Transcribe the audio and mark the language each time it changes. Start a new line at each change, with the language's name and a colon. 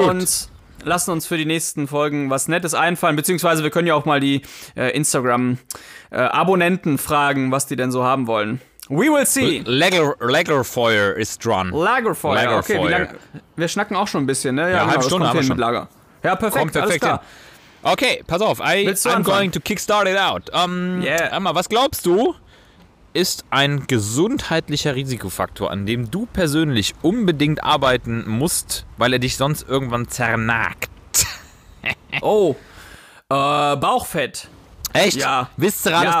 German: Und lassen uns für die nächsten Folgen was Nettes einfallen, beziehungsweise wir können ja auch mal die Instagram-Abonnenten fragen, was die denn so haben wollen.
English: We will see.
German: Lagerfeuer ist dran. Lagerfeuer. Okay, wir schnacken auch schon ein bisschen, ne? Ja, halbe Stunde haben wir schon. Lager. Ja, perfekt alles klar.
English: Okay,
German: pass auf,
English: I'm going to kickstart it out.
German: Emma, was glaubst du, ist ein gesundheitlicher Risikofaktor, an dem du persönlich unbedingt arbeiten musst, weil er dich sonst irgendwann zernagt? Oh, Bauchfett. Echt? Ja. Viszerales, ja.